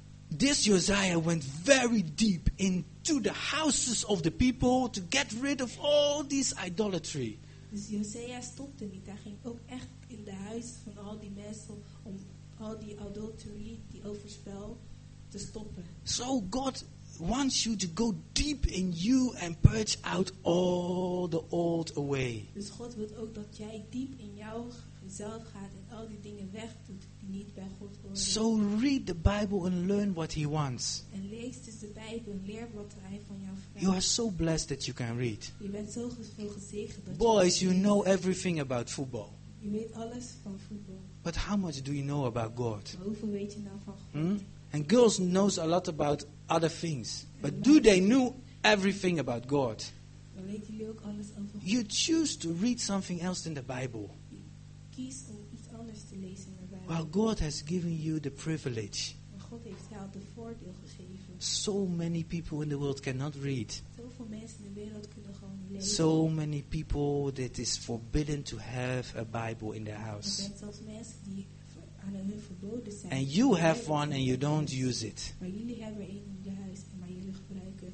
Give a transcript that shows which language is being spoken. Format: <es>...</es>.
<en>This Josiah went very deep into the houses of the people to get rid of all this idolatry.</en> <nl>Dus Josiah stopte niet. Hij ging ook echt in de huis van al die mensen om al die idolatry, die overspel, te stoppen.</nl> <en>So God wants you to go deep in you and purge out all the old away.</en> <nl>Dus God wil ook dat jij diep in jou zelf gaat en al die dingen wegdoet.</nl> <en>So read the Bible and learn what he wants.</en> <nl>En lees dus de Bijbel en leer wat hij van jou vraagt.</nl> <en>You are so blessed that you can read.</en> <nl>Je bent zo gezegend dat.</nl> <en>Boys, you know everything about football.</en> <nl>Je weet alles van voetbal.</nl> <en>But how much do you know about God?</en> <nl>Hoeveel weet je nou van God? Hmm?</nl> <en>And girls knows a lot about other things, but do they know everything about God?</en> <nl>Weten jullie ook alles over God?</nl> <en>You choose to read something else in the Bible.</en> <nl>Kies om iets anders te lezen.</nl> <en>Well, God has given you the privilege.</en> <nl>God heeft jou de voordeel gegeven.</nl> <en>So many people in the world cannot read.</en> <nl>Zoveel mensen in de wereld kunnen gewoon niet lezen.</nl> <en>So many people that is forbidden to have a Bible in their house.</en> <nl>Er zijn zelfs mensen die aan hun verboden zijn.</nl> <en>And you have one and you don't use it.</en> <nl>Maar jullie hebben een in je huis en maar jullie gebruiken.</nl>